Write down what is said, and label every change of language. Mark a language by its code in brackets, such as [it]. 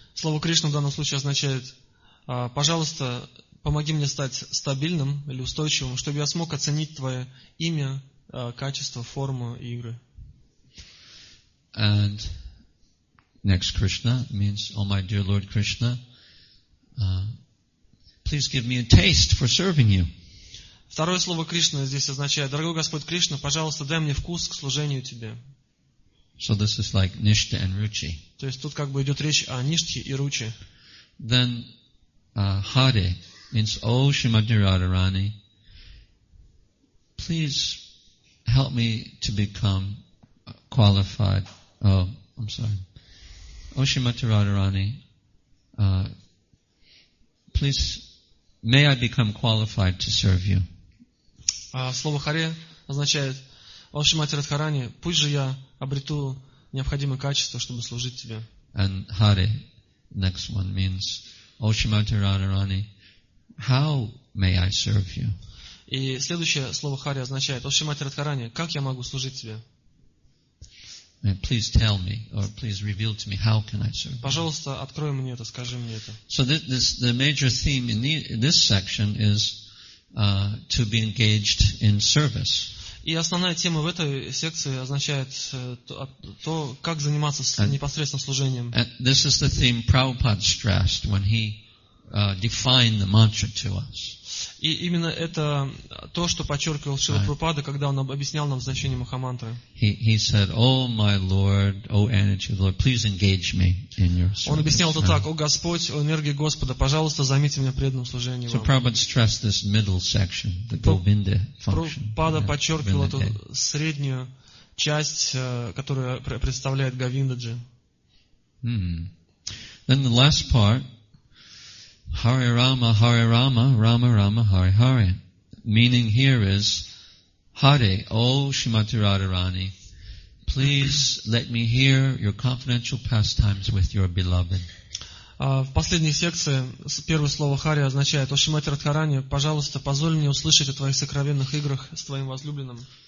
[ru] Слово Кришна в данном случае означает: пожалуйста, помоги мне стать стабильным или устойчивым, чтобы я смог оценить твое имя, качество, форму и игры. [en] And next Krishna means, oh my dear Lord Krishna, please give me a taste for serving you. [ru] Второе слово Кришна здесь означает: дорогой Господь Кришна, пожалуйста, дай мне вкус к служению тебе. [en] So this is like Nishtha and Ruchi. [ru] То есть тут как бы идет речь о Ништхе и Ручи. [en] Then Hare means, O Shrimati Radharani, please help me to become qualified. Oh, I'm sorry. O Shrimati Radharani, please, may I become qualified to serve you. [ru] Слово Харе означает: О Шримати Радхарани, пусть же я обрету необходимое качество, чтобы служить тебе. [en] And Hare, next one means, О Шримати Радхарани, how may I serve you? [ru] И следующее слово Харе означает: О Шримати Радхарани, как я могу служить тебе? [en] Please tell me, or please reveal to me, how can I serve you? [ru] Пожалуйста, открой мне это, скажи мне это. [en] So the major theme in this section is to be engaged in service. [ru] И основная тема в этой секции означает то, как заниматься непосредственно служением. [en] This is the theme Prabhupada stressed when he defined the mantra to us. [ru] И именно это то, что подчеркивал Шрила Прабхупада, когда он объяснял нам значение Махамантры. [en] He said, "Oh my Lord, oh energy of the Lord, please engage me in your service." [ru] Он объяснял это так: "О Господь, о энергии Господа, пожалуйста, займите меня преданным служением." [en] So Prabhupada stressed this middle section, the Govinda function. [ru] Прабхупада подчеркивал эту среднюю часть, которая представляет Говиндаджи. [en] Then the last part, Hare Rama, Hare Rama, Rama Rama, Hare Hare. Meaning here is, Hare, O Srimati Radharani, please let me hear your confidential pastimes with your beloved. [ru] В последней секции первое слово Хари означает: «О Шримати Радхарани, пожалуйста, позволь мне услышать о твоих сокровенных играх с твоим возлюбленным».